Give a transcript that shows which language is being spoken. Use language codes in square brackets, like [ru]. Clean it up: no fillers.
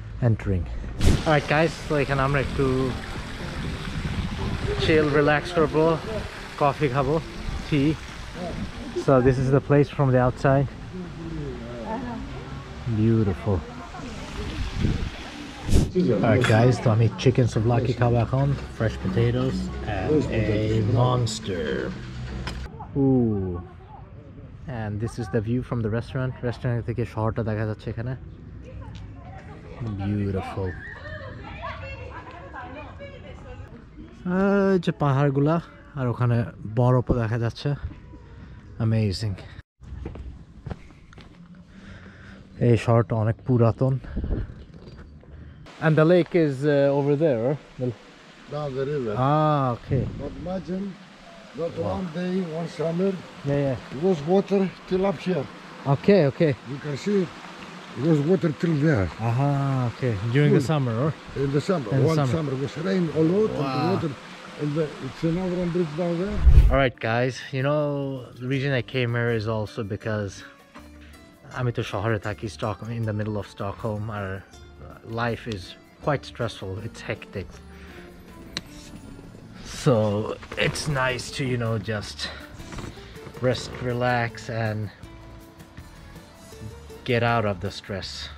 [en] Entering. All right guys, so [bn] এখানে আমরা একটু chill, relax করবো, কফি খাবো, টি। [en] So this is the place from the outside. Beautiful. All right guys, [bn] তো আমি [en] chicken souvlaki [bn] খাবো এখন, [en] fresh potatoes and a monster. Ooh. And this is the view from the restaurant. [bn] Restaurant থেকে শহরটা দেখা যাচ্ছে এখানে। Beautiful. যে পাহাড়গুলো আর ওখানে বরফও দেখা যাচ্ছে, অ্যামেজিং। এই শহরটা অনেক পুরাতন [en] and the lake is over there the river okay but imagine that one day one summer yeah it was water till up here okay you can see it was water till there okay during the summer or in the summer in one summer was rain a lot wow. And the water and the, it's another one bridge down there all right guys you know the reason I came here is also because [bn] আমি তো শহরে থাকি [en] Stockholm in the middle of Stockholm আর life is quite stressful it's hectic so it's nice to you know just rest relax and get out of the stress